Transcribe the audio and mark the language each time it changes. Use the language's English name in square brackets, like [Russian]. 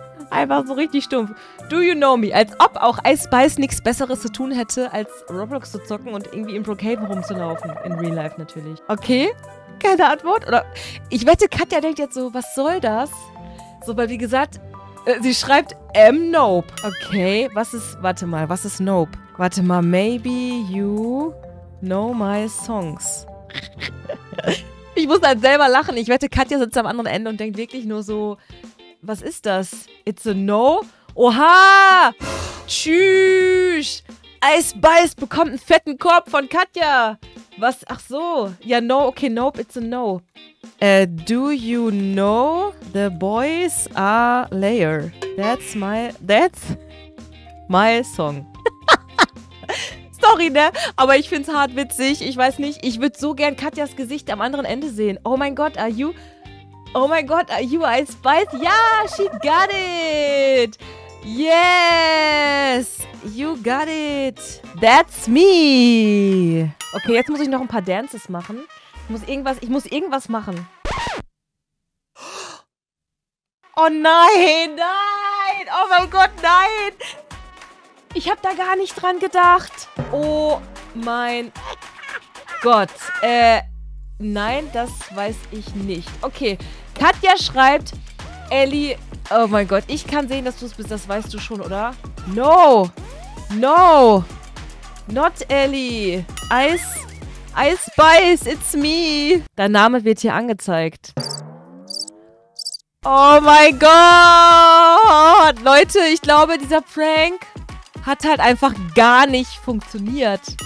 [German] Einfach so richtig stumpf. [English] Do you know me? [German] Als ob auch Ice Spice nichts Besseres zu tun hätte, als Roblox zu zocken und irgendwie im Brookhaven rumzulaufen. In Real Life natürlich. Okay, keine Antwort. Oder ich wette, Katja denkt jetzt so, was soll das? So, weil wie gesagt, sie schreibt M-Nope. Okay, was ist Nope? Warte mal, [English] maybe you know my songs. [German] Ich muss halt selber lachen. Ich wette, Katja sitzt am anderen Ende und denkt wirklich nur so... Was ist das? [English] It's a no? [German] Oha! Tschüss! Ice Spice bekommt einen fetten Korb von Katja! Was? Ach so. Ja, [English] no. Okay, nope. It's a no. Do you know the boys are layer? That's my song. Sorry, ne? [German] Aber ich find's hart witzig. Ich weiß nicht. Ich würde so gern Katjas Gesicht am anderen Ende sehen. Oh mein Gott, [English] are you [German] Ice Spice? [English] Ja, she got it! Yes! You got it! That's me! [German] Okay, jetzt muss ich noch ein paar Dances machen. Ich muss irgendwas machen. Oh nein! Nein! Oh mein Gott, nein! Ich habe da gar nicht dran gedacht. Oh mein Gott. Nein, das weiß ich nicht. Okay. Katja schreibt, Ellie, oh mein Gott, ich kann sehen, dass du es bist, das weißt du schon, oder? [English] No, no, not Ellie, Ice Spice, it's me. [German] Dein Name wird hier angezeigt. Oh mein Gott, Leute, ich glaube, dieser Prank hat halt einfach gar nicht funktioniert.